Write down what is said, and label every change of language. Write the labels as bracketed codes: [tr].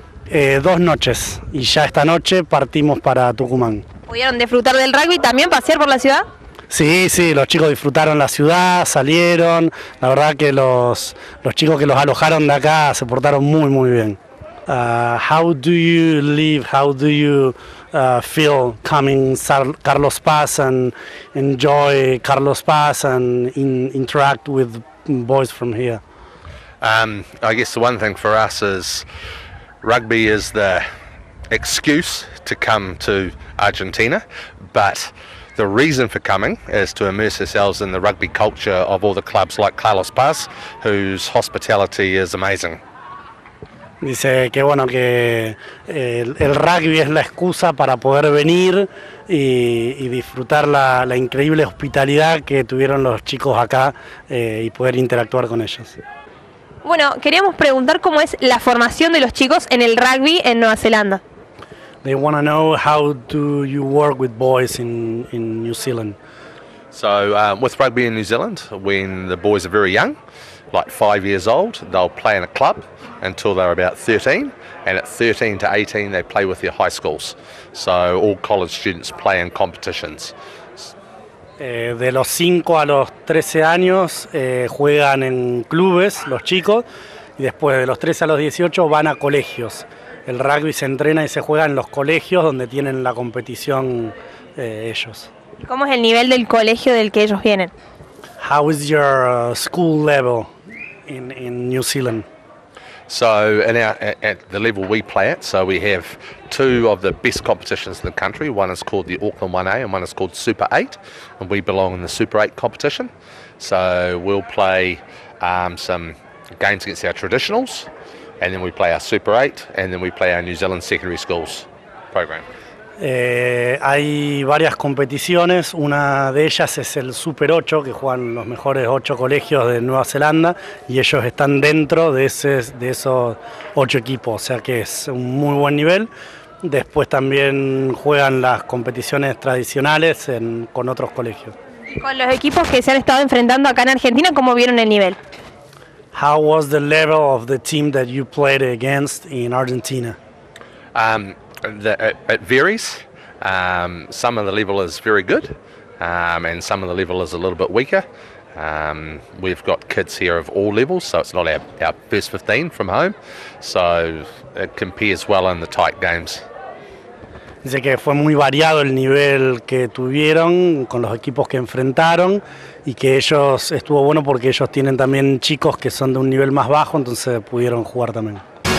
[es] 2 noches y ya esta noche partimos para Tucumán. ¿Pudieron disfrutar del rugby y también pasear por la ciudad? Sí, los chicos disfrutaron la ciudad, salieron. La verdad que los chicos que los alojaron de acá se portaron muy, muy bien. [en] How do you live? How do you feel coming Carlos Paz and enjoy Carlos Paz and interact with boys from here? I guess the one thing for us is rugby is the excuse to come to Argentina, but the reason for coming is to immerse ourselves in the rugby culture of all the clubs like Carlos Paz, whose hospitality is amazing. [es] Dice que bueno, que el rugby es la excusa para poder venir y disfrutar la increíble hospitalidad que tuvieron los chicos acá y poder interactuar con ellos. Bueno, queríamos preguntar cómo es la formación de los chicos en el rugby en Nueva Zelanda. [en] They want to know how do you work with boys in New Zealand? So with rugby in New Zealand, when the boys are very young, like 5 years old, they'll play in a club until they're about 13, and at 13 to 18, they play with their high schools. So all college students play in competitions. [es] De los 5 a los 13 años juegan en clubes los chicos y después de los 13 a los 18 van a colegios. El rugby se entrena y se juega en los colegios donde tienen la competición ellos. ¿Cómo es el nivel del colegio del que ellos vienen? [en] How is your school level in New Zealand? So at the level we play at, so we have two of the best competitions in the country. One is called the Auckland 1A and one is called Super 8, and we belong in the Super 8 competition. So we'll play some games against our traditionals, and then we play our Super 8, and then we play our New Zealand Secondary Schools program. [es] Hay varias competiciones, una de ellas es el Super 8, que juegan los mejores 8 colegios de Nueva Zelanda, y ellos están dentro de esos 8 equipos, o sea que es un muy buen nivel. Después también juegan las competiciones tradicionales con otros colegios. ¿Y con los equipos que se han estado enfrentando acá en Argentina, cómo vieron el nivel? [en] How was the level of the team that you played against in Argentina? It varies. Some of the level is very good, and some of the level is a little bit weaker. We've got kids here of all levels, so it's not our first 15 from home. So it compares well in the tight games. [es] Dice que fue muy variado el nivel que tuvieron con los equipos que enfrentaron y que ellos estuvo bueno porque ellos tienen también chicos que son de un nivel más bajo, entonces pudieron jugar también.